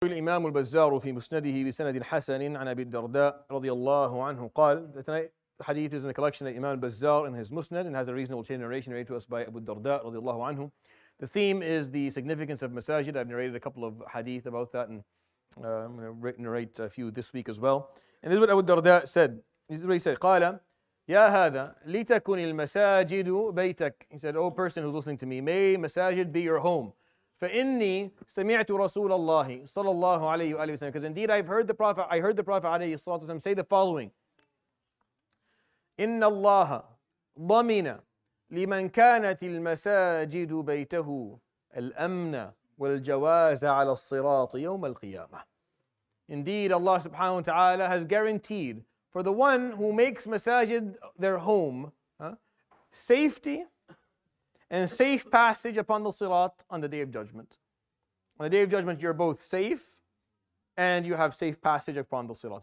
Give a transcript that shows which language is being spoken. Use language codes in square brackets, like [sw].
[ar] الإمام البزار في مسنده بسند حسن عن أبي الدرداء رضي الله عنه قال. [en] The hadith is in the collection of Imam Bazzar in his Musnad and has a reasonable chain narration related to us by Abu Darda radiallahu anhu. The theme is the significance of masajid. I've narrated a couple of hadith about that, and I'm going to narrate a few this week as well. And this is what Abu Darda said. This is what he said. [ar] قَالَ يَا هَذَا لِتَكُنِ الْمَسَاجِدُ بَيْتَكَ. [en] He said, oh person who's listening to me, may masajid be your home. [ar] فَإِنِّي سَمِعْتُ رَسُولَ اللَّهِ صَلَى اللَّهُ عَلَيْهُ وَآلِهِ وَسَلَّمَ. [en] Because indeed I heard the Prophet [ar] عليه الصلاة والسلام [en] say the following. [ar] إن الله ضمن لمن كانت المساجد بيته الأمن والجواز على الصراط يوم القيامة. [en] Indeed, Allah subhanahu wa ta'ala has guaranteed for the one who makes masajid their home, safety and safe passage upon the sirat on the day of judgment. On the day of judgment, you're both safe and you have safe passage upon the sirat.